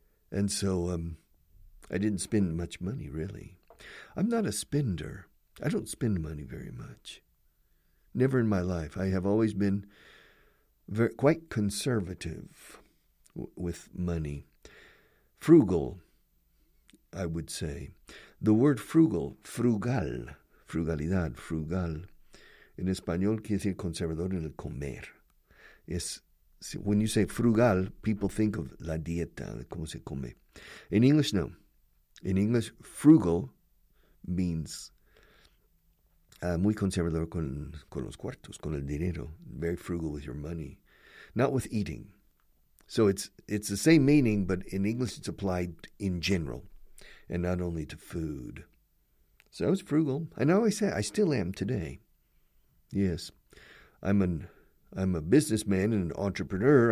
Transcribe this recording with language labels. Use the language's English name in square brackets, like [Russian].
[English] And so I didn't spend much money, really. I'm not a spender. I don't spend money very much. Never in my life. I have always been quite conservative with money. Frugal, I would say. The word frugal, frugal, [Spanish] frugalidad, frugal, in español quiere decir conservador en el comer. [English] When you say frugal, people think of [Spanish] la dieta, cómo se come. [English] In English, no. In English, frugal means [Spanish] muy conservador con los cuartos, con el dinero. [English] Very frugal with your money. Not with eating. So it's the same meaning, but in English it's applied in general and not only to food. So I was frugal. And I always say, I still am today. Yes, I'm a businessman and an entrepreneur.